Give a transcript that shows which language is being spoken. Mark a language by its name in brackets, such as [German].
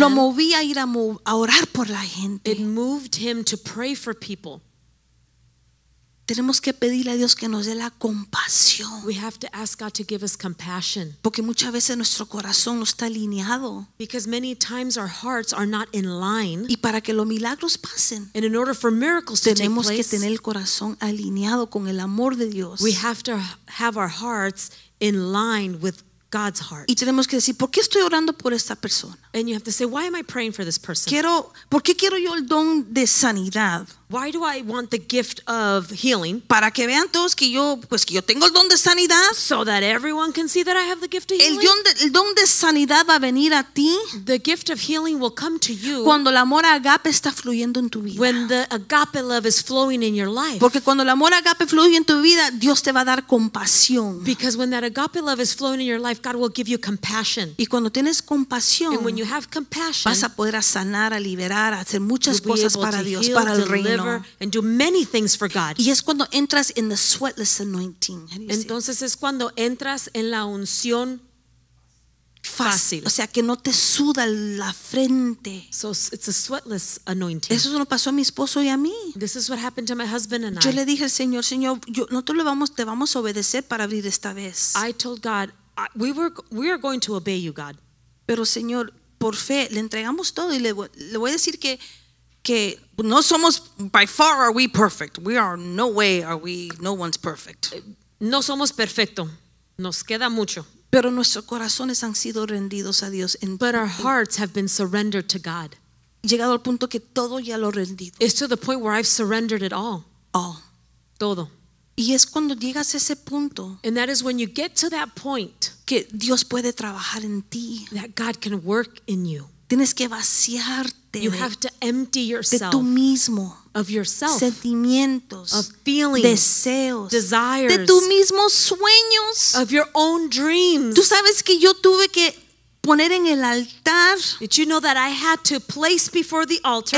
[Spanish] lo movía a ir a orar por la gente. [English] It moved him to pray for people. [Spanish] Tenemos que pedirle a Dios que nos dé la compasión. [English] We have to ask God to give us compassion. [Spanish] Porque muchas veces nuestro corazón no está alineado. [English] Because many times our hearts are not in line. [Spanish] Y para que los milagros pasen, [English] and in order for miracles [Spanish] tenemos [English] to take place, [Spanish] que tener el corazón alineado con el amor de Dios. [English] We have to have our hearts in line with God's heart. [Spanish] Y tenemos que decir, ¿por qué estoy orando por esta persona? [English] And you have to say, why am I praying for this person? [Spanish] ¿Por qué quiero yo el don de sanidad? [English] Why do I want the gift of healing? [Spanish] Para que vean todos que yo, pues que yo tengo el don de sanidad. [English] So that everyone can see that I have the gift of healing. [Spanish] El don de sanidad va a venir a ti. [English] The gift of healing will come to you. [Spanish] Cuando el amor agape está fluyendo en tu vida. [English] When the agape love is flowing in your life. [Spanish] Porque cuando el amor agape fluye en tu vida, Dios te va a dar compasión. [English] Because when that agape love is flowing in your life, God will give you compassion. [Spanish] Y cuando tienes compasión, [English] and when you have compassion, [Spanish] vas a poder a sanar, a liberar, a hacer muchas cosas para Dios, para el reino. [English] And do many things for God. [Spanish] Y es cuando entras [English] in the sweatless anointing. How do you [Spanish] Entonces [English] say it? [Spanish] Es cuando entras en la unción fácil. O sea, que no te suda la frente. [English] So it's a sweatless anointing. [Spanish] Eso nos pasó a mi esposo y a mí. [English] This is what happened to my husband and [Spanish] yo [English] I. [Spanish] Yo le dije al Señor, Señor, yo, nosotros te vamos a obedecer para abrir esta vez. [English] I told God, we are going to obey you, God. [Spanish] Pero Señor, por fe, le entregamos todo y le voy a decir que no somos, [English] by far are we perfect. We are no way are we, no one's perfect. [Spanish] No somos perfecto. Nos queda mucho. Pero nuestros corazones han sido rendidos a Dios. [English] But our hearts have been surrendered to God. [Spanish] Llegado al punto que todo ya lo he rendido. [English] It's to the point where I've surrendered it all. All. [Spanish] Todo. Y es cuando llegas a ese punto. [English] And that is when you get to that point. [Spanish] Que Dios puede trabajar en ti. [English] That God can work in you. [Spanish] Tienes que vaciarte. [English] You have to empty yourself. [Spanish] De tú mismo. [English] Of yourself. [Spanish] Sentimientos. [English] Of feelings. [Spanish] Deseos. [English] Desires. [Spanish] De tú mismo, sueños. [English] Of your own dreams. [Spanish] Tú sabes que yo tuve que poner en el altar. [English] Did you know that I had to place before the altar?